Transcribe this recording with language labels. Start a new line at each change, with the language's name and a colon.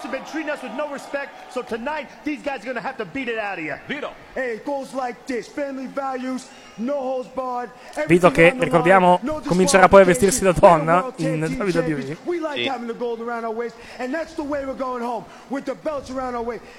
English: Treating us with no respect, so tonight these guys are gonna have to beat it out of you. Vito. Hey, it goes like this: family values, no holds barred.
Italian: Vito, che ricordiamo, comincerà poi a vestirsi da donna in WWE.
English: We like having the gold around our waist, and that's the way we're going home with the belts around our waist.